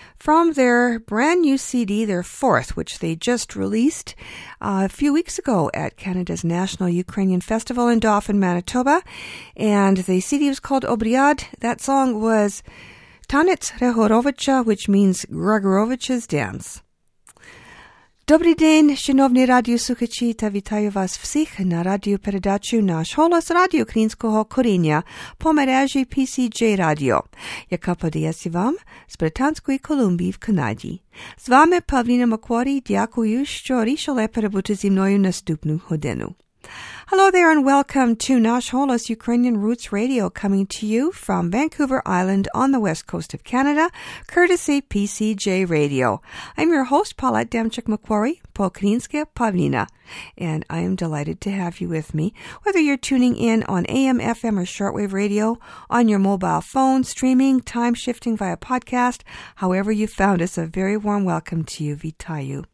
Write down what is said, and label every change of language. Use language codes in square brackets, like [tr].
[en] From their brand new CD, their fourth, which they just released a few weeks ago at Canada's National Ukrainian Festival in Dauphin, Manitoba. And the CD was called Obriad. That song was Tanets Rehorovicha, which means Gregorovich's Dance. [uk] Добрий день, шановні радіослухачі, та вітаю вас всіх на радіопередачі «Наш голос» радіо українського коріння по мережі PCJ Radio, яка подається вам з Британської Колумбії в Канаді. З вами Павліна Макворі, дякую, що рішили перебути зі мною наступну годину. [en] Hello there and welcome to Nash Holos Ukrainian Roots Radio, coming to you from Vancouver Island on the west coast of Canada, courtesy PCJ Radio. I'm your host, Paulette Demchuk-McQuarrie, Polkrinska Pavlina, and I am delighted to have you with me, whether you're tuning in on AM, FM, or shortwave radio, on your mobile phone, streaming, time-shifting via podcast, however you found us, a very warm welcome to you, Vitayu.